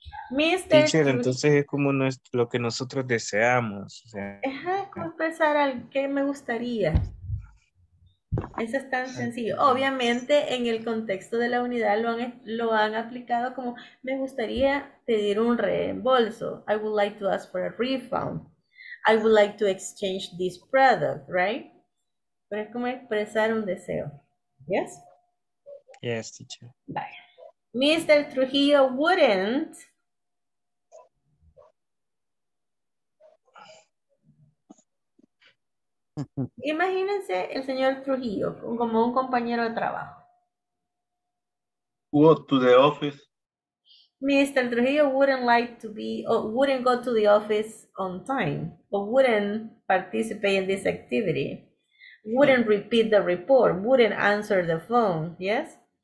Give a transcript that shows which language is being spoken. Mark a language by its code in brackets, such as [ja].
[en] Mister, teacher, [es] entonces es como nuestro, lo que nosotros deseamos. Ajá, como expresar al que me gustaría. Eso es tan sencillo. Obviamente, en el contexto de la unidad lo han aplicado como me gustaría pedir un reembolso. [en] I would like to ask for a refund. I would like to exchange this product, right? [es] Pero es como expresar un deseo. Yes? [en] Yes, teacher. Bye. Mr. Trujillo wouldn't. [es] Imagínense el señor Trujillo como un compañero de trabajo. [en] Go to the office. Mr. Trujillo wouldn't like to be or wouldn't go to the office on time or wouldn't participate in this activity. Wouldn't repeat the report, wouldn't answer the phone, yes?